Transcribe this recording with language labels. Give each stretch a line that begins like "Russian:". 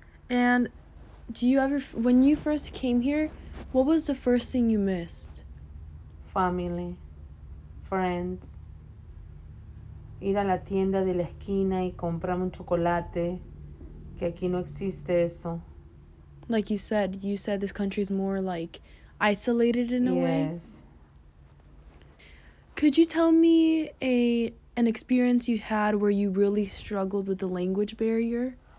English: And do you ever, when you first came here, what was the first thing you missed? Family, friends,
Spanish: ir a la tienda de la esquina y comprar un chocolate, que aquí no existe eso.
English: Like you said this country is more like isolated in a way. Yes. Could you tell me an experience you had where you really struggled with the language barrier?